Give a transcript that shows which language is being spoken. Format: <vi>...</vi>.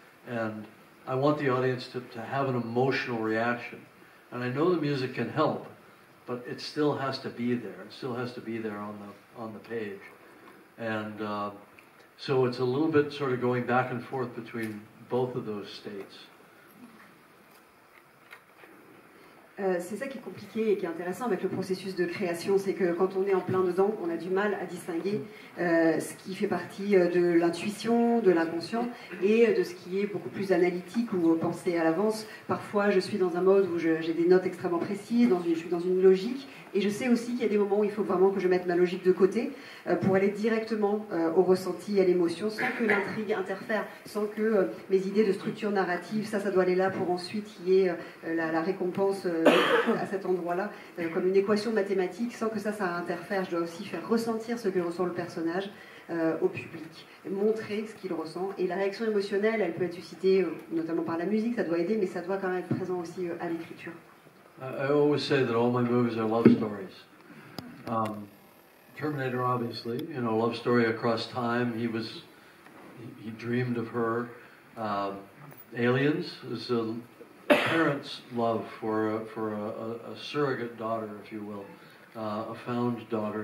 <en>And I want the audience to have an emotional reaction. And I know the music can help, but it still has to be there. It still has to be there on the page. And so it's a little bit sort of going back and forth between both of those states.</en> <fr>C'est ça qui est compliqué et qui est intéressant avec le processus de création, c'est que quand on est en plein dedans, on a du mal à distinguer ce qui fait partie de l'intuition, de l'inconscient, et de ce qui est beaucoup plus analytique ou pensé à l'avance. Parfois, je suis dans un mode où j'ai des notes extrêmement précises, je suis dans une logique, et je sais aussi qu'il y a des moments où il faut vraiment que je mette ma logique de côté pour aller directement au ressenti, à l'émotion, sans que l'intrigue interfère, sans que mes idées de structure narrative, ça doit aller là pour ensuite y ait la récompense à cet endroit-là, comme une équation mathématique, sans que ça interfère. Je dois aussi faire ressentir ce que ressent le personnage au public, montrer ce qu'il ressent. Et la réaction émotionnelle, elle peut être suscitée notamment par la musique, ça doit aider, mais ça doit quand même être présent aussi à l'écriture.</fr> <en>I always say that all my movies are love stories. Terminator, obviously, you know, love story across time. He dreamed of her. Aliens is a parents' love for a surrogate daughter, if you will, a found daughter.</en>